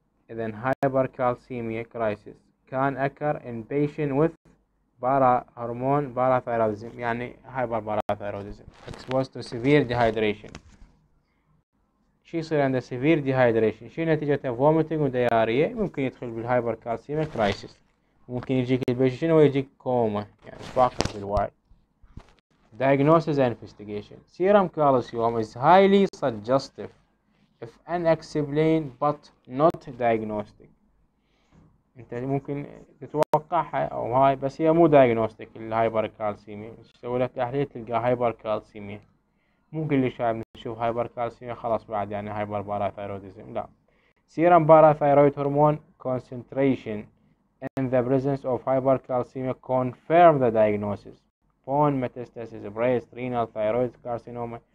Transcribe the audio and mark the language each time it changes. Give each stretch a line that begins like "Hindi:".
English: اذا hypercalcaemia crisis can occur in patient with parathormone parathyroidism يعني hyperparathyroidism exposed to severe dehydration.
Arabic: شي يصير عنده severe dehydration شي نتيجة vomiting و diarrhea، ممكن يدخل بالهايبر كالسيوم كرايسيس، ممكن يجيك البيشن ويجيك كوما يعني فاقد للوعي.
English: diagnosis and investigation serum calcium is highly suggestive if unexplained but not diagnostic.
Arabic: انت ممكن تتوقعها او هاي، بس هي مو دايجنوستيك الهايبركالسيميا، تسوي لك تحليل تلقى هايبركالسيميا، مو كل شايب نشوف هايبركالسيميا خلاص بعد يعني هايبر باراثيرويدزم، لا.
English: Serum parathyroid hormone concentration in the presence of hypercalcaemia confirm the diagnosis. Bone metastasis breast renal thyroid carcinoma